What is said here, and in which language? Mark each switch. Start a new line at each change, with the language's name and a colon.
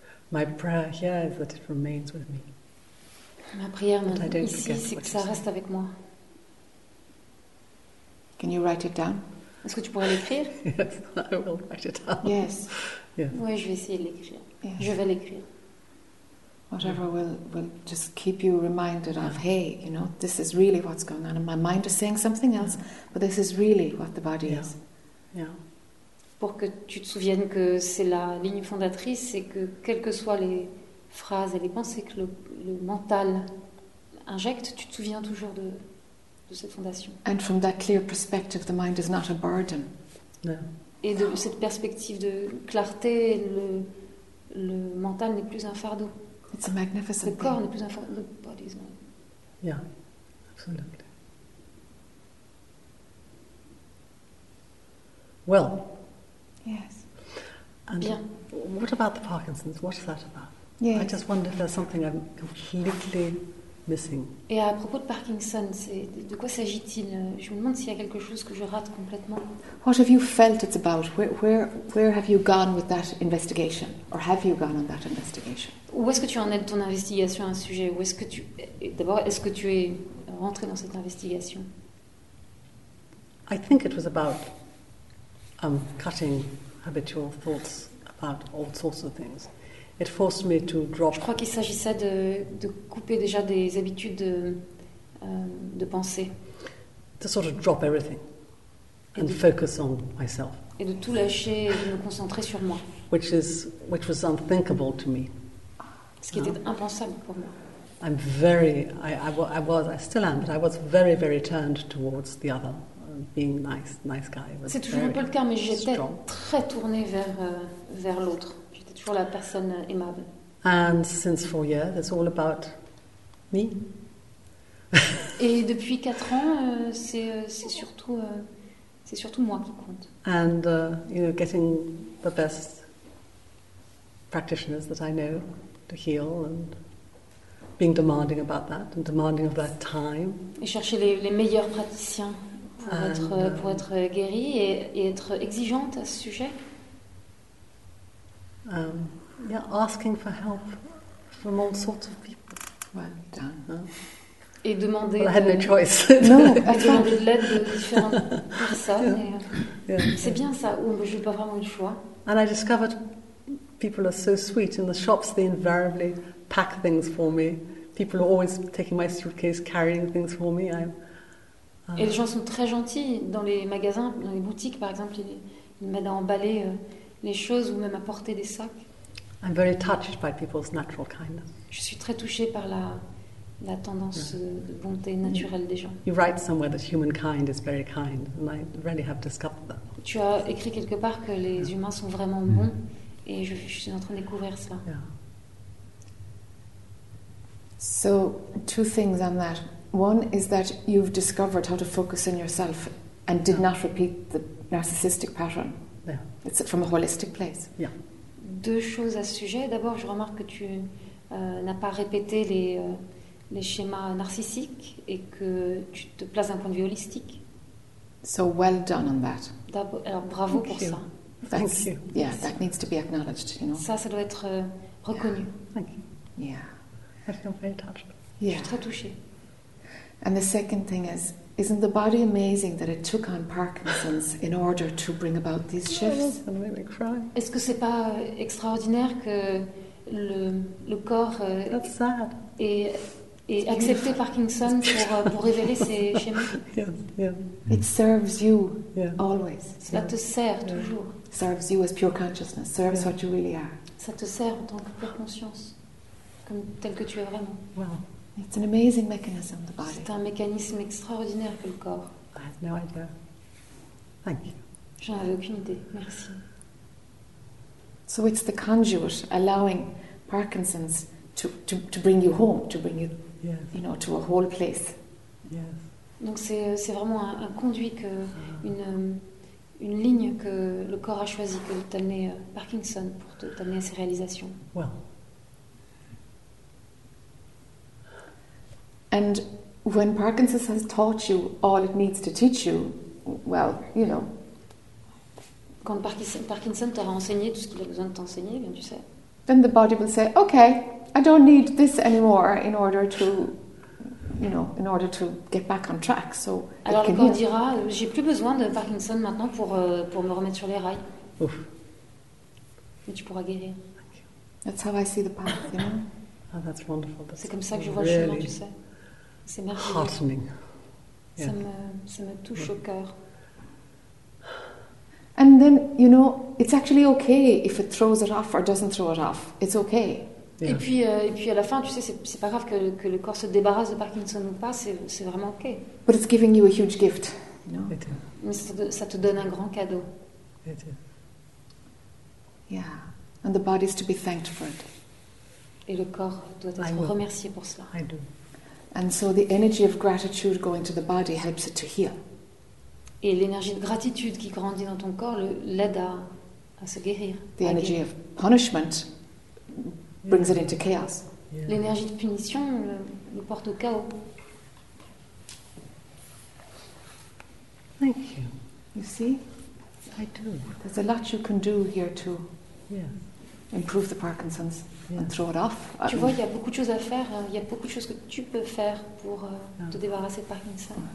English: My prayer here is that it remains with me.
French: Ma prière ici, c'est que ça reste avec moi.
English: Can you write it down?
French: Est-ce que tu pourrais l'écrire?
English: Yes, I will write it down. Yes.
French: Yeah. Oui, je vais essayer de l'écrire. Yes. Je vais l'écrire.
English: Whatever will just keep you reminded of, hey, you know, this is really what's going on. And my mind is saying something else, but this is really what the body is.
French: Pour que tu te souviennes que c'est la ligne fondatrice et que quelles que soient les phrases et les pensées que le mental injecte, tu te souviens toujours de cette fondation.
English: And from that clear perspective, the mind is not a burden. No.
French: Et de cette perspective de clarté, le mental n'est plus un fardeau.
English: It's a magnificent thing.
French: Le corps n'est plus un fardeau.
English: The body is not. Yeah, absolutely. Well. Yes. And
French: bien.
English: What about the Parkinson's? What is that about? Yes. I just wonder if there's something I'm completely missing.
French: Et à propos de Parkinson, de quoi s'agit-il? Je me demande s'il y a quelque chose que je rate complètement.
English: What have you felt it's about? Where have you gone with that investigation? Or have you gone on that investigation?
French: Où est-ce que tu en es de ton investigation à un sujet? Où est-ce que tu... D'abord, est-ce que tu es rentré dans cette investigation?
English: I think it was about cutting habitual thoughts about all sorts of things. It forced me to drop.
French: Je crois qu'il s'agissait de couper déjà des habitudes de pensée.
English: To sort of drop everything and focus on myself.
French: Et de tout lâcher et de me concentrer sur moi.
English: Which was unthinkable to me.
French: Ce qui était impensable pour moi.
English: I'm very, I was, I still am, but I was very, very turned towards the other. Being nice guy.
French: C'est toujours un peu le cas, mais j'étais très tournée vers l'autre. J'étais toujours la personne aimable.
English: And since 4 years, it's all about me.
French: Et depuis 4 ans, c'est surtout moi qui compte.
English: And you know, getting the best practitioners that I know to heal and being demanding about that and demanding of that time.
French: Et chercher les meilleurs praticiens. Pour être guérie et être exigeante à ce sujet.
English: Asking for help from all sorts of people. Well done.
French: Et demander.
English: Well, I had no choice. No,
French: et demander de l'aide de différentes personnes. Yeah. C'est bien ça. Ou je n'ai pas vraiment le choix.
English: And I discovered people are so sweet in the shops. They invariably pack things for me. People are always taking my suitcase, carrying things for me.
French: Et les gens sont très gentils dans les magasins, dans les boutiques, par exemple, ils m'aident à emballer les choses ou même à porter des sacs.
English: I'm very touched by people's natural kindness.
French: Je suis très touchée par la tendance de bonté naturelle des gens.
English: You write somewhere that humankind is very kind, and I really have discovered that.
French: Tu as écrit quelque part que les humains sont vraiment bons, et je suis en train de découvrir cela.
English: So, two things on that. One is that you've discovered how to focus on yourself and did not repeat the narcissistic pattern. Yeah. It's from a holistic place. Yeah.
French: Deux choses à ce sujet. D'abord, je remarque que tu n'as pas répété les schémas narcissiques et que tu te places d'un point de vue holistique.
English: So well done on that.
French: Alors, bravo
English: Thank
French: pour
English: you.
French: Ça.
English: Thank That's, you. Yeah, yes. That needs to be acknowledged. You know.
French: Ça doit être reconnu.
English: Yeah. Thank you. Yeah. I feel very touched. Yeah.
French: Je suis très touchée.
English: And the second thing is, isn't the body amazing that it took on Parkinson's in order to bring about these shifts? Yes, I'm going to cry.
French: Est-ce que c'est pas extraordinaire que le corps ait accepté Parkinson pour révéler ses schémas?
English: Yeah. It serves you always.
French: Cela te sert toujours.
English: Serves you as pure consciousness. Serves what you really are.
French: Ça te sert en tant que pure conscience, comme tel que tu es vraiment.
English: Wow. It's an amazing mechanism, the body.
French: C'est un mécanisme extraordinaire que le corps.
English: I had no idea. Thank you.
French: J'en avais aucune idée. Merci.
English: So it's the conduit allowing Parkinson's to bring you home, to bring you, you know, to a whole place. Yes.
French: Donc c'est vraiment un conduit que une ligne que le corps a choisi que de t'amener Parkinson pour t'amener à ses réalisations.
English: Well. And when Parkinson's has taught you all it needs to teach you, well, you know.
French: Quand Parkinson t'aura enseigné tout ce qu'il a besoin de t'enseigner, bien tu sais.
English: then the body will say, okay, I don't need this anymore in order to, you know, in order to get back on track. So
French: alors le corps dira, j'ai plus besoin de Parkinson maintenant pour me remettre sur les rails. Ouf. Mais tu pourras guérir.
English: That's how I see the path, you know. Oh, that's wonderful. That's
French: c'est comme ça que je vois le chemin, tu sais. C'est merveilleux.
English: Heartening.
French: Yeah. Ça me touche au cœur.
English: And then, you know, it's actually okay if it throws it off or doesn't throw it off. It's okay. Yeah.
French: Et puis à la fin, tu sais, c'est pas grave que le corps se débarrasse de Parkinson ou pas, c'est vraiment ok.
English: But it's giving you a huge gift. No.
French: Mais ça te donne un grand cadeau.
English: It is. Yeah. And the body is to be thanked for it.
French: Et le corps doit être remercié pour cela.
English: I do. And so the energy of gratitude going to the body helps it to heal.
French: Et l'énergie de gratitude qui grandit dans ton corps l'aide à se guérir.
English: The energy of punishment brings it into chaos. Yeah.
French: L'énergie de punition le porte au chaos.
English: Thank you. You see? I do. There's a lot you can do here to yeah. improve the Parkinson's yeah. and throw it off.
French: Tu vois, il y a beaucoup de choses à faire. Il y a beaucoup de choses que tu peux faire pour te débarrasser de Parkinson.